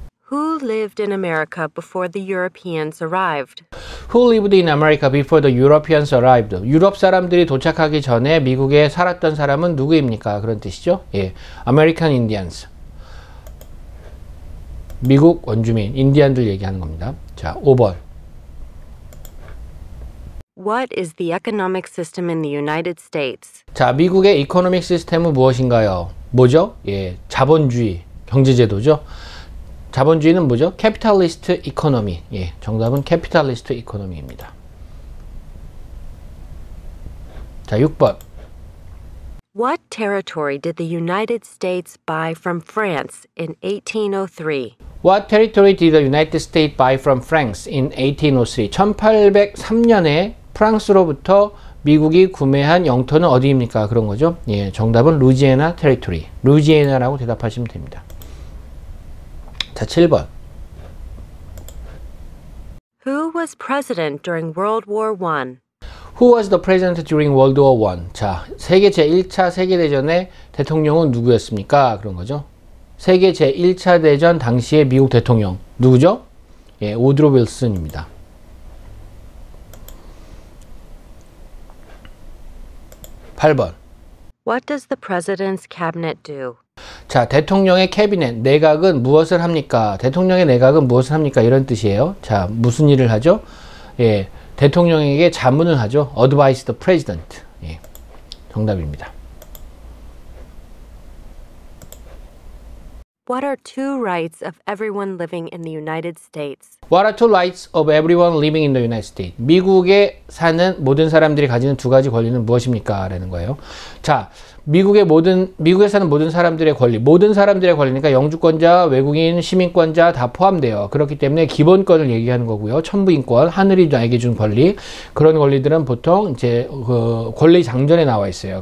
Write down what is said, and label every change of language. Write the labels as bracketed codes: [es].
[en] Who lived in America before the Europeans arrived? Who lived in America before the Europeans arrived? [ko] 유럽 사람들이 도착하기 전에 미국에 살았던 사람은 누구입니까? 그런 뜻이죠. 예, [en] American Indians. [ko] 미국 원주민, 인디언들 얘기하는 겁니다. 자, 5번. [en] What is the economic system in the United States? [ko] 자, 미국의 이코노믹 시스템은 무엇인가요? 뭐죠? 예, 자본주의, 경제제도죠. 자본주의는 뭐죠? 캐피탈리스트 이코노미. 예, 정답은 캐피탈리스트 이코노미입니다. 자, 6번. [en] What territory did the United States buy from France in 1803? What territory did the United States buy from France in 1803? [ko] 1803년에 프랑스로부터 미국이 구매한 영토는 어디입니까? 그런 거죠. 예, 정답은 루이지애나 테리토리. 루이지애나라고 대답하시면 됩니다. 자, 7번. [en] Who was president during World War I? Who was the president during World War I? [ko] 자, 세계 제1차 세계대전의 대통령은 누구였습니까? 그런 거죠. 세계 제1차 대전 당시의 미국 대통령 누구죠? 예, 우드로 윌슨입니다. 8번. [en] What does the president's cabinet do? [ko] 자, 대통령의 캐비넷, 내각은 무엇을 합니까? 대통령의 내각은 무엇을 합니까? 이런 뜻이에요. 자, 무슨 일을 하죠? 예, 대통령에게 자문을 하죠. [en] Advise the president. [ko] 예, 정답입니다. [en] What are two rights of everyone living in the United States? What are two rights of everyone living in the United States? [ko] 미국에 사는 모든 사람들이 가지는 두 가지 권리는 무엇입니까? 라는 거예요. 자, 미국에 사는 모든 사람들의 권리, 모든 사람들의 권리니까 영주권자, 외국인, 시민권자 다 포함돼요. 그렇기 때문에 기본권을 얘기하는 거고요. 천부인권, 하늘이 나에게 준 권리, 그런 권리들은 보통 이제 그 권리 장전에 나와 있어요.